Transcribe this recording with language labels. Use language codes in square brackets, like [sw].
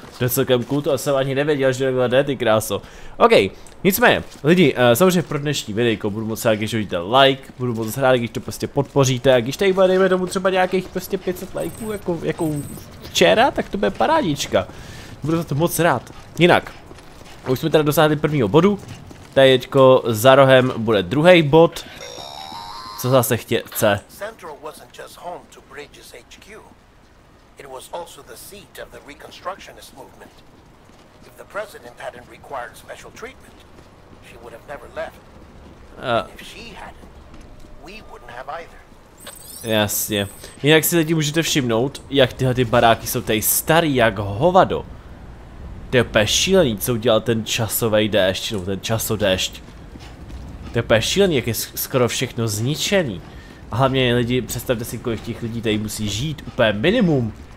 [cs] To je celkem cool, to jsem ani nevěděl, že takhle jde, ty kráso. OK, nicméně, lidi, samozřejmě pro dnešní videjko budu moc rád, když hodíte like, budu moc rád, když to prostě podpoříte a když tady bude, dejme tomu třeba nějakých prostě 500 likeů jako včera, tak to bude parádička. Budu za to moc rád. Jinak, už jsme teda dosáhli prvního bodu, tadyko za rohem bude druhý bod. Co zase chce? [en] Central wasn't just home to Bridges HQ. It was also the seat of the Reconstructionist movement. If the president hadn't required special treatment, she would have never left. If she hadn't, we wouldn't have either. [cs] Jasně. Jinak si lidi můžete všimnout, jak tyhle ty baráky jsou tady starý jak hovado. To je šílený, co udělal ten časový déšť, nebo ten časodéšť. To je šílený, jak je skoro všechno zničený. A hlavně lidi, představte si, kolik těch lidí tady musí žít, úplně minimum.